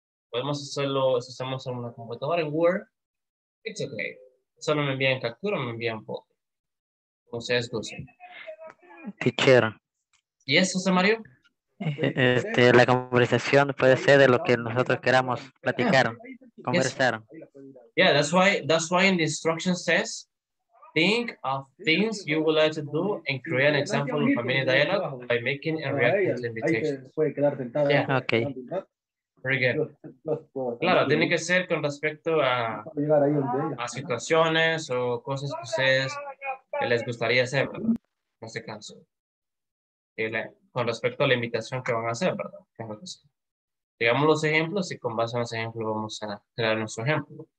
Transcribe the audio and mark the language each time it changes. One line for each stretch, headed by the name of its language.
Spanish: Podemos hacerlo si estamos en una computadora, en Word.
English: It's okay.
Spanish: Solo me envían captura o me envían foto. Como ustedes gusten.
English: Teacher.
Spanish: ¿Y eso, José Mario? La conversación puede ser de lo que nosotros queramos platicar, conversar.
English: Yeah, that's why in the instruction says, think of things you would like to do and create an example of a mini dialogue by making a reactive invitation. Yeah, okay. Very good.
Spanish: Claro, tiene que ser con respecto a situaciones o cosas que ustedes que les gustaría hacer, ¿verdad? En este caso. Con respecto a la invitación que van a hacer, ¿verdad? Digamos los ejemplos y con base en los ejemplos vamos a crear nuestro ejemplo.